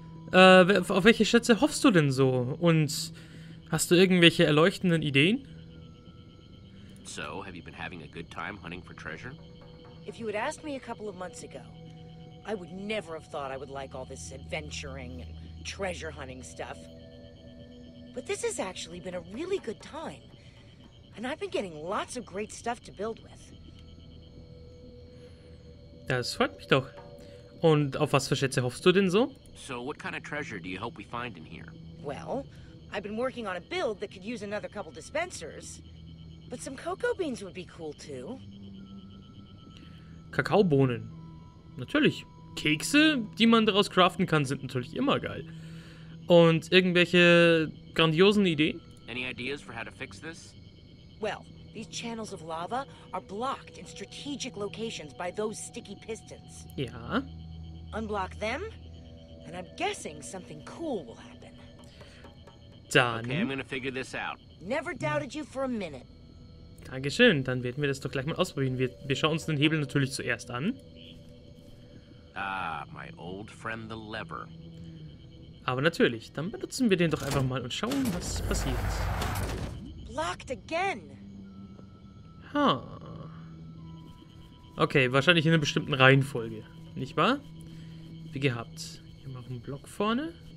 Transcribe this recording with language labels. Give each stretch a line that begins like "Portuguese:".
German: Auf welche Schätze hoffst du denn so? Und hast du irgendwelche erleuchtenden Ideen?
English: So, have you been having a good time hunting for treasure? If you had asked me a couple of months ago, I would never have thought I would like all this adventuring and treasure hunting stuff. But this has actually been a really good time. And I've been getting lots of great stuff to build with.
German: Das freut mich doch. Und auf was für Schätze hoffst du denn so?
English: So what kind of treasure do you hope we find in here? Well, I've been working on a build that could use another couple dispensers. But some cocoa beans would be cool too.
German: Kakaobohnen. Natürlich. Kekse, die man daraus craften kann, sind natürlich immer geil. Und irgendwelche grandiosen Ideen?
English: Any ideas for how to fix this? Well, these channels of lava are blocked in strategic locations by those sticky pistons.
German: Ja.
English: Unblock them, and I'm guessing something cool will happen.
German: Dann.
English: Okay, I'm gonna figure this out. Never doubted you for a minute.
German: Dankeschön, dann werden wir das doch gleich mal ausprobieren. Wir schauen uns den Hebel natürlich zuerst an.
English: Ah, my old friend the lever.
German: Aber natürlich, dann benutzen wir den doch einfach mal und schauen, was passiert.
English: Blocked again. Ha.
German: Okay, wahrscheinlich in einer bestimmten Reihenfolge. Nicht wahr? Wie gehabt. Hier machen wir einen Block vorne.